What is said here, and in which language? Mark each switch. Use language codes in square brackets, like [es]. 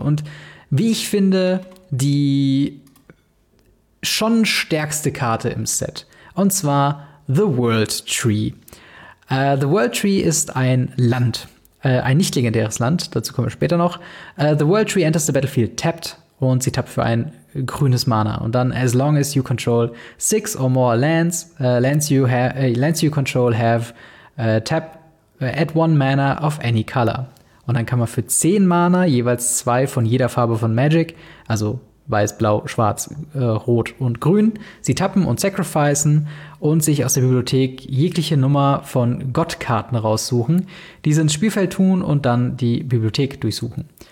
[de] Und wie ich finde, die schon stärkste Karte im Set. Und zwar The World Tree. The World Tree ist ein Land. Ein nicht legendäres Land. Dazu kommen wir später noch. [en] The World Tree enters the battlefield tapped. [de] Und sie tappt für ein grünes Mana. Und dann, [en] as long as you control 6 or more lands, lands you control have tapped. Add one mana of any color. [de] Und dann kann man für 10 Mana jeweils 2 von jeder Farbe von Magic, also weiß, blau, schwarz, rot und grün, sie tappen und sacrificen und sich aus der Bibliothek jegliche Nummer von Gottkarten raussuchen, diese ins Spielfeld tun und dann die Bibliothek durchsuchen.